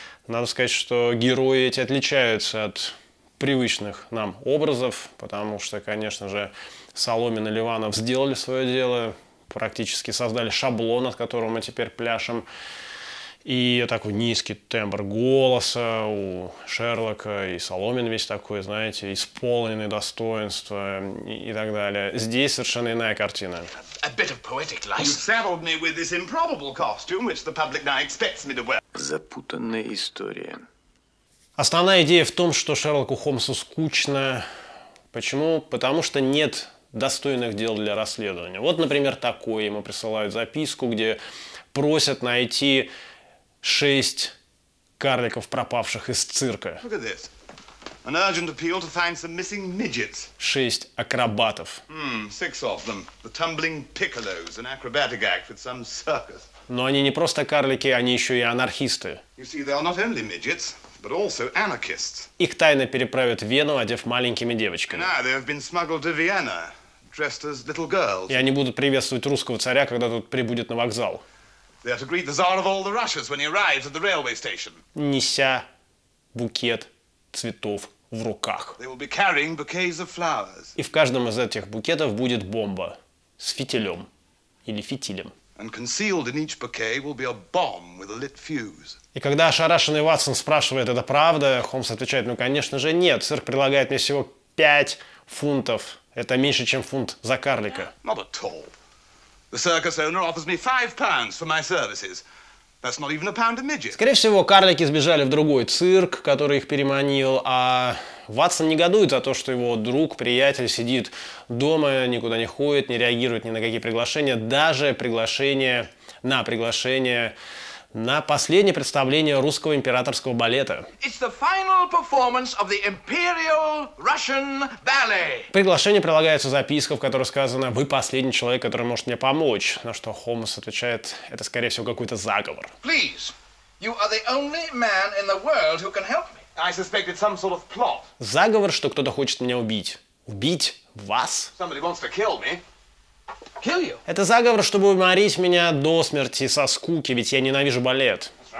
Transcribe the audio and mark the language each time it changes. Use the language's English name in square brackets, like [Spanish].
[Russian] Надо сказать, что герои эти отличаются от привычных нам образов, потому что, конечно же, Соломин и Ливанов сделали свое дело, практически создали шаблон, от которого мы теперь пляшем. И такой низкий тембр голоса у Шерлока, и Соломин весь такой, знаете, исполненный достоинства и так далее. Здесь совершенно иная картина. [English] A bit of poetic life. You saddled me with this improbable costume, which the public now expects me to wear. [Russian] Запутанная история. Основная идея в том, что Шерлоку Холмсу скучно. Почему? Потому что нет достойных дел для расследования. Вот, например, такое. Ему присылают записку, где просят найти 6 карликов, пропавших из цирка. [English] Look at this. An urgent appeal to find some missing midgets. [Russian] 6 акробатов. [English] 6 of them. The tumbling piccolos, an acrobatic act with some circus. [Russian] Но они не просто карлики, они еще и анархисты. [English] You see, they are not only midgets. But also anarchists. [Russian] Их тайно переправят в Вену, одев маленькими девочками. [English] Now they have been smuggled to Vienna, dressed as little girls. [Russian] И они будут приветствовать русского царя, когда тот прибудет на вокзал. [English] They are to greet the Tsar of all the Russias when he arrives at the railway station. [Russian] Неся букет цветов в руках. [English] They will be carrying bouquets of flowers. [Russian] И в каждом из этих букетов будет бомба с фитилем или фитилем. [English] And concealed in each bouquet will be a bomb with a lit fuse. [Russian] И когда ошарашенный Ватсон спрашивает, это правда, Холмс отвечает, ну, конечно же, нет. Цирк предлагает мне всего 5 фунтов. Это меньше, чем фунт за карлика. [English] Not at all. The circus owner offers me 5 pounds for my services. That's not even a pound a midget. [Russian] Скорее всего, карлики сбежали в другой цирк, который их переманил, а Ватсон негодует за то, что его друг, приятель сидит дома, никуда не ходит, не реагирует ни на какие приглашения, даже приглашение на последнее представление русского императорского балета. [English] It's the final performance of the Imperial Russian Ballet. [Russian] Приглашение прилагается записка, в которой сказано: «Вы последний человек, который может мне помочь». На что Холмс отвечает: «Это, скорее всего, какой-то заговор». [English] Please, you are the only man in the world who can help me. I suspect it's some sort of plot. [Russian] Заговор, что кто-то хочет меня убить. Убить вас? [English] Somebody wants to kill me. Kill you. [Russian] Это заговор, чтобы уморить меня до смерти со скуки, ведь я ненавижу балет.